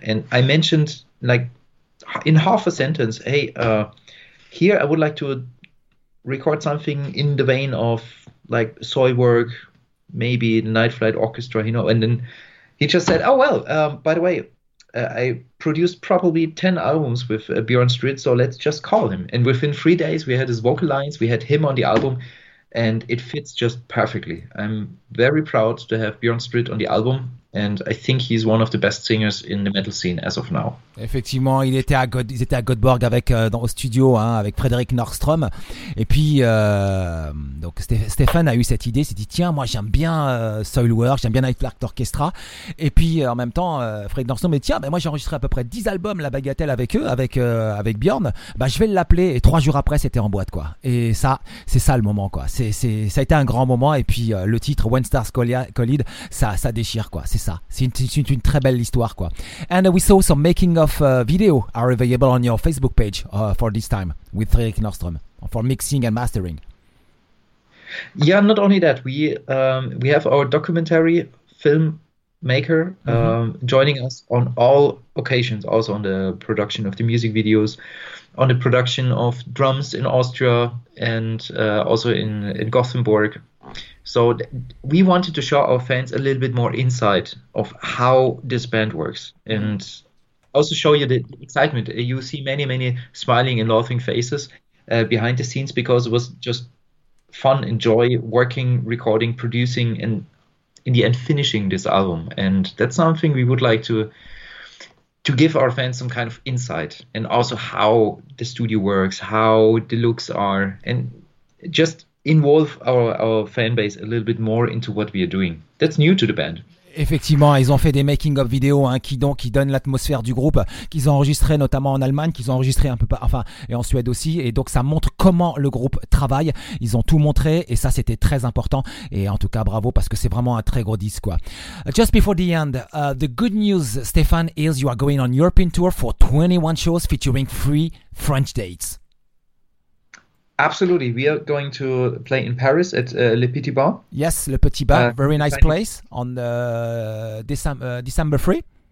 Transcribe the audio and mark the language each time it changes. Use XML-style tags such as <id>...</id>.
<en>And I mentioned, like, in half a sentence, hey, here I would like to record something in the vein of like Soilwork, maybe Night Flight Orchestra, you know. And then he just said, oh, well, by the way, I produced probably 10 albums with Björn Stridh, so let's just call him. And within 3 days, we had his vocal lines, we had him on the album, and it fits just perfectly. I'm very proud to have Björn Stridh on the album. And I think he's one of the best singers in the metal scene as of now.</en> <fr>Effectivement, ils étaient à Göteborg avec au studio, hein, avec Fredrik Nordström. Et puis donc Stefan a eu cette idée, s'est dit tiens, moi j'aime bien Soilwork, j'aime bien Night Flight Orchestra. Et puis en même temps Fredrik Nordström dit tiens, ben moi j'ai enregistré à peu près 10 albums la Bagatelle avec eux, avec Björn. Ben je vais l'appeler, et 3 jours après c'était en boîte, quoi. Et ça, c'est ça le moment, quoi. Ça a été un grand moment. Et puis le titre When Stars Collide, ça déchire, quoi. C'est ça, c'est une très belle histoire, quoi.</fr> <en>And we saw some making of video are available on your Facebook page for this time with Fredrik Nordström for mixing and mastering. Yeah, not only that, we have our documentary filmmaker joining us on all occasions, also on the production of the music videos, on the production of drums in Austria, and also in Gothenburg. So we wanted to show our fans a little bit more insight of how this band works, and also show you the excitement. You see many, many smiling and laughing faces behind the scenes, because it was just fun and joy working, recording, producing, and in the end finishing this album. And that's something we would like to give our fans some kind of insight, and also how the studio works, how the looks are, and just involve our fan base a little bit more into what we are doing. That's new to the band.</en> <fr>Effectivement, ils ont fait des making of vidéo, hein, qui donnent l'atmosphère du groupe, qu'ils ont enregistré notamment en Allemagne, qu'ils ont enregistré un peu et en Suède aussi, et donc ça montre comment le groupe travaille. Ils ont tout montré, et ça c'était très important, et en tout cas bravo, parce que c'est vraiment un très gros disque, quoi.</fr> <en>Just before the end, the good news, Stefan, is you are going on European tour for 21 shows featuring 3 French dates. Absolutely. We are going to play in Paris at Le Petit Bar. Yes, Le Petit Bar. Very nice place on December 3.</en>